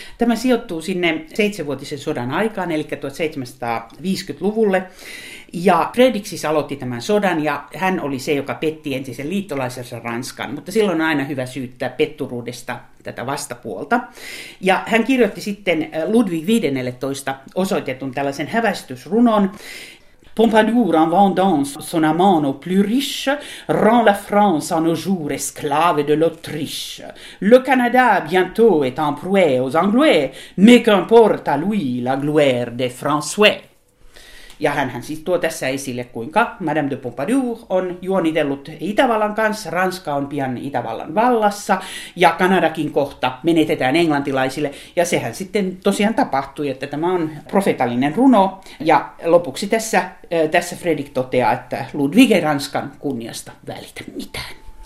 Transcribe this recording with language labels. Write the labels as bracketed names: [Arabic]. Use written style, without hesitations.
[Finnish] Tämä sijoittuu sinne 7-vuotisen sodan aikaan, eli 1750-luvulle. Ja Fredrik siis aloitti tämän sodan, ja hän oli se, joka petti entisen liittolaisensa Ranskan. Mutta silloin on aina hyvä syyttää petturuudesta tätä vastapuolta. Ja hän kirjoitti sitten Ludwig XV:lle osoitetun tällaisen häväistysrunon. [French] Pompadour, en vendant son amant aux plus riches, rend la France en nos jours esclave de l'Autriche. Le Canada bientôt est en prouée aux Anglais, mais qu'importe à lui la gloire des Français. [Finnish] Ja hän siis tuo tässä esille, kuinka Madame de Pompadour on juonitellut Itävallan kanssa, Ranska on pian Itävallan vallassa ja Kanadakin kohta menetetään englantilaisille. Ja sehän sitten tosiaan tapahtui, että tämä on profetallinen runo. Ja lopuksi tässä Fredrik toteaa, että Ludwig ei Ranskan kunniasta välitä mitään.